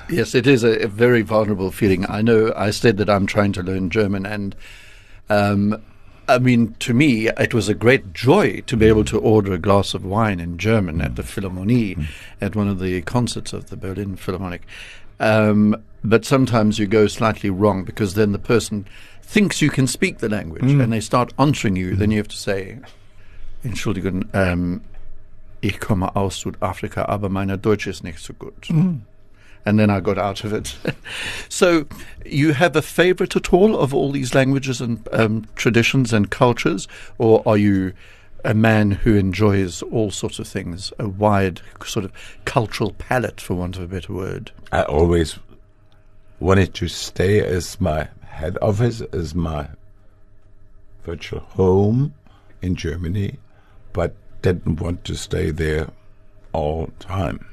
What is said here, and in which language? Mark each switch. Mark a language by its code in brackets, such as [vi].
[en] Yes, it is a very vulnerable feeling. I know I said that I'm trying to learn German, and I mean, to me, it was a great joy to be able to order a glass of wine in German at the Philharmonie, at one of the concerts of the Berlin Philharmonic. But sometimes you go slightly wrong, because then the person thinks you can speak the language, and they start answering you. Then you have to say, [de] Entschuldigung, ich komme aus Südafrika, aber meine Deutsch ist nicht so gut. [en] And then I got out of it. So you have a favorite at all these languages and traditions and cultures? Or are you a man who enjoys all sorts of things, a wide sort of cultural palette, for want of a better word? I always wanted to stay as my head office, as my virtual home in Germany, but didn't want to stay there all time.